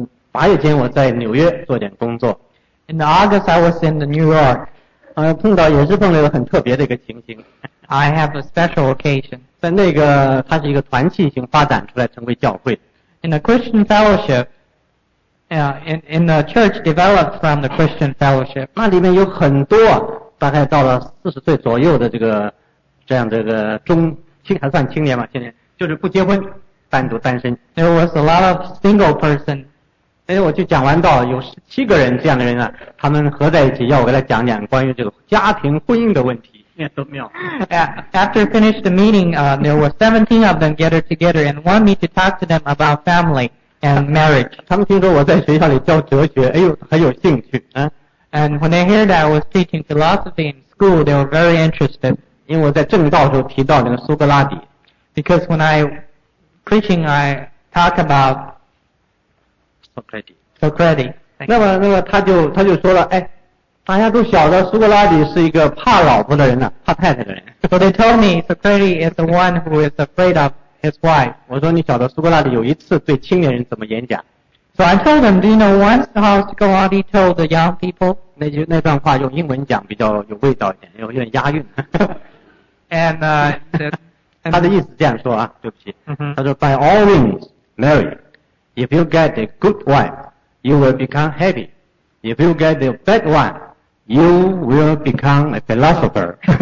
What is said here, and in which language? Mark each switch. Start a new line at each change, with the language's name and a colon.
Chinese: 八月间我在纽约做点工作。
English: In August, I was in New York.
Chinese: 碰到也是碰到一个很特别的一个情形。
English: I have a special occasion.
Chinese: 在那个，它是一个团契性发展出来成为教会。
English: In a Christian fellowship. In the church developed from the Christian fellowship.
Chinese: 那里面有很多，大概到了四十岁左右的这个，这样这个中青还算青年嘛，现在就是不结婚，单独单身。
English: There was a lot of single person.
Chinese: 哎，我就讲完到有十七个人这样的人啊，他们合在一起要我给他讲讲关于这个家庭婚姻的问题。
English: Yeah,
Chinese: 都没有。
English: After finished the meeting, there were 17 of them gathered together and want me to talk to them about family. And marriage.
Chinese: 他们听说我在学校里教哲学，哎呦，很有兴趣。
English: And when they heard that I was teaching philosophy in school, they were very interested.
Chinese: 因为我在正道时候提到那个苏格拉底。
English: Because when I preaching, I talk about Socrates.
Chinese: 那么他就说了，哎，大家都晓得苏格拉底是一个怕老婆的人呢、啊，怕太太的人。
English: So they told me Socrates is the one who is afraid of. His wife.
Chinese: 我说你晓得苏格拉底有一次对青年人怎么演讲
English: ？So I told them, do you know once how Socrates told the young people?
Chinese: 那段话用英文讲比较有味道一点，有点押韵。
English: and
Chinese: 他的意思这样说啊，对不起， mm-hmm. 他说
English: By all means, marry. If you get a good wife, you will become happy. If you get a bad one, you will become a philosopher.